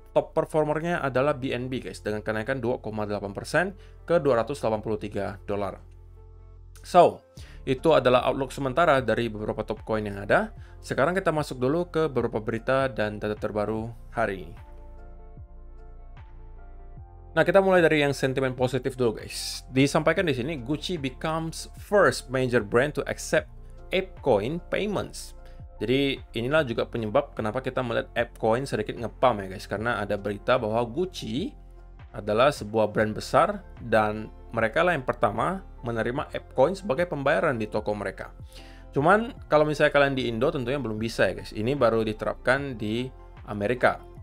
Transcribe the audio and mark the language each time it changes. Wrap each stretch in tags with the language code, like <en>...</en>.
<id>Top performernya adalah BNB guys, dengan kenaikan 2,8% ke 283 dolar. So, itu adalah outlook sementara dari beberapa top coin yang ada. Sekarang kita masuk dulu ke beberapa berita dan data terbaru hari ini. Nah, kita mulai dari yang sentimen positif dulu guys. Disampaikan di sini,</id> <en>Gucci becomes first major brand to accept ApeCoin payments.</en> <id>Jadi, inilah juga penyebab kenapa kita melihat ApeCoin sedikit ngepump ya guys. Karena ada berita bahwa Gucci adalah sebuah brand besar dan mereka lah yang pertama menerima ApeCoin sebagai pembayaran di toko mereka. Cuman kalau misalnya kalian di Indo tentunya belum bisa ya guys. Ini baru diterapkan di Amerika.</id>